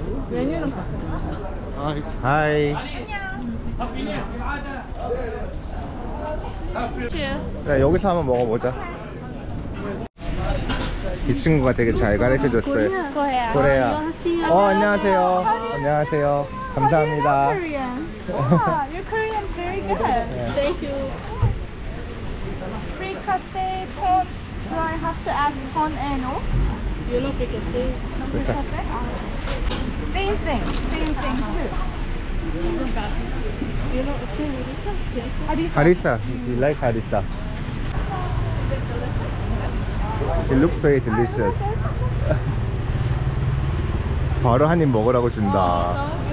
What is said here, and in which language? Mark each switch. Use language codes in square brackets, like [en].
[ko] 메뉴는 바뀌었나? 하이. 안녕. 자, 여기서 한번 먹어보자. 이 친구가 되게 잘 가르쳐 줬어요. 코리아. 어, 안녕하세요. 안녕하세요. 감사합니다. [en] Korean. Wow, your Korean is very good. Thank you. Fricassee pork. Do I have to add corn and all? You know fricassee? Same thing too. Harissa? You like harissa? It looks very delicious. [ko] 바로 한 입 먹으라고 준다.